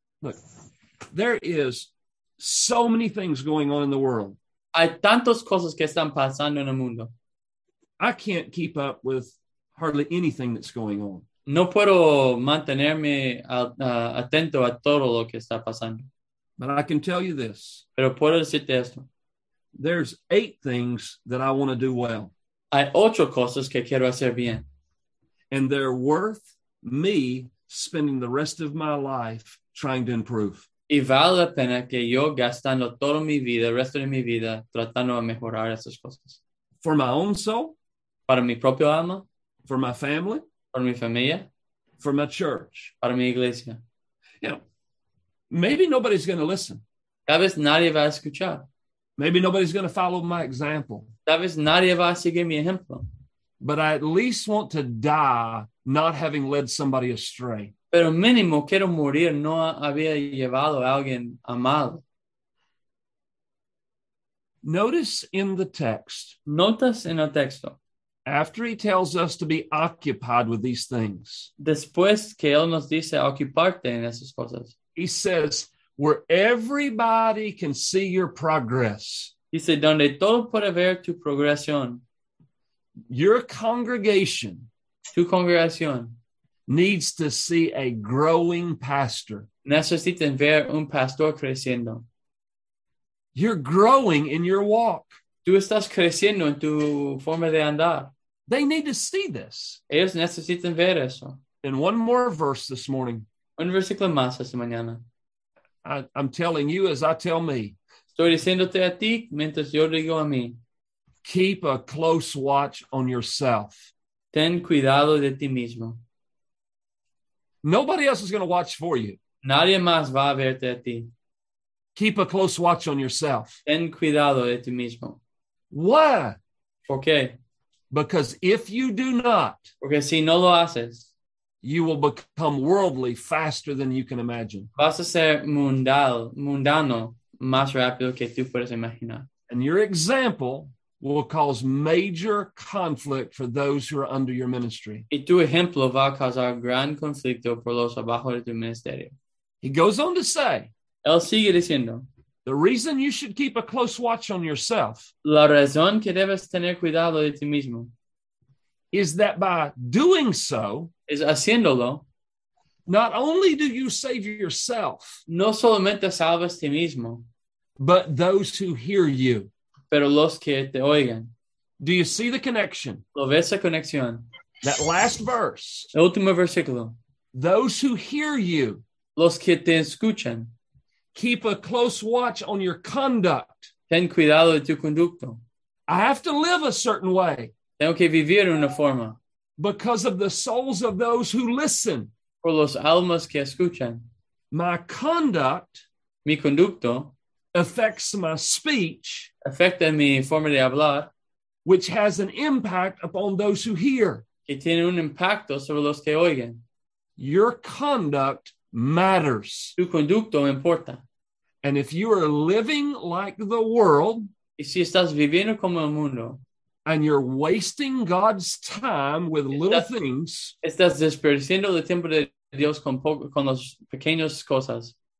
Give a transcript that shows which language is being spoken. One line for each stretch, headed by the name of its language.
English: Look, there is so many things going on in the world.
Spanish: Hay tantas cosas que están pasando en el mundo.
English: I can't keep up with hardly anything that's going on.
Spanish: No puedo mantenerme atento a todo lo que está pasando.
English: But I can tell you this.
Spanish: Pero puedo decirte esto.
English: There's eight things that I want to do well.
Spanish: Hay ocho cosas que quiero hacer bien.
English: And they're worth me spending the rest of my life trying to improve.
Spanish: Y vale la pena que yo gastando toda mi vida, el resto de mi vida, tratando de mejorar esas cosas.
English: For my own soul.
Spanish: Para mi propio alma.
English: For my family.
Spanish: Para mi familia.
English: For my church.
Spanish: Para mi iglesia.
English: You know, maybe nobody's going to listen.
Spanish: Tal vez nadie va a escuchar.
English: Maybe nobody's going to follow my example.
Spanish: Tal vez nadie va a seguir mi ejemplo.
English: But I at least want to die not having led somebody astray.
Spanish: Pero mínimo quiero morir no había llevado a alguien a mal.
English: Notice in the text.
Spanish: Notas en el texto.
English: After he tells us to be occupied with these things.
Spanish: Después que él nos dice ocuparte en esas cosas.
English: He says, where everybody can see your progress.
Spanish: Dice, donde todo puede ver tu progresión.
English: Your congregation.
Spanish: Tu congregación.
English: Needs to see a growing pastor.
Spanish: Necesitan ver un pastor creciendo.
English: You're growing in your walk.
Spanish: Tú estás creciendo en tu forma de andar.
English: They need to see this.
Spanish: Ellos necesitan ver eso.
English: And one more verse this morning.
Spanish: Un versículo más esta mañana.
English: I'm telling you as I tell me.
Spanish: Estoy diciéndote a ti mientras yo digo a mí.
English: Keep a close watch on yourself.
Spanish: Ten cuidado de ti mismo.
English: Nobody else is going to watch for you.
Spanish: Nadie más va a verte a ti.
English: Keep a close watch on yourself.
Spanish: Ten cuidado de ti mismo.
English: Why?
Spanish: ¿Por qué?
English: Because if you do not,
Spanish: porque si no lo haces,
English: you will become worldly faster than you can imagine.
Spanish: Vas a ser mundano más rápido que tú puedes imaginar.
English: And your example will cause major conflict for those who are under your ministry.
Spanish: Y tu ejemplo va a causar gran conflicto por los abajo de tu ministerio.
English: He goes on to say,
Spanish: él sigue diciendo,
English: the reason you should keep a close watch on yourself,
Spanish: la razón que debes tener cuidado de ti mismo,
English: is that by doing so,
Spanish: es haciéndolo,
English: not only do you save yourself,
Spanish: no solamente salvas ti mismo,
English: but those who hear you,
Spanish: pero los que te oigan.
English: Do you see the connection?
Spanish: ¿Lo ves la conexión?
English: That last verse,
Spanish: el último versículo,
English: those who hear you,
Spanish: los que te escuchan.
English: Keep a close watch on your conduct.
Spanish: Ten cuidado de tu conducto.
English: I have to live a certain way.
Spanish: Tengo que vivir una forma.
English: Because of the souls of those who listen.
Spanish: Por los almas que escuchan.
English: My conduct.
Spanish: Mi conducto.
English: Affects my speech.
Spanish: Afecta mi forma de hablar.
English: Which has an impact upon those who hear.
Spanish: Que tiene un impacto sobre los que oigan.
English: Your conduct matters.
Spanish: Tu conducto importa.
English: And if you are living like the world,
Spanish: y si estás viviendo como el mundo,
English: and you're wasting God's time with estás, little things,
Spanish: estás desperdiciando el tiempo de Dios con las pequeñas cosas,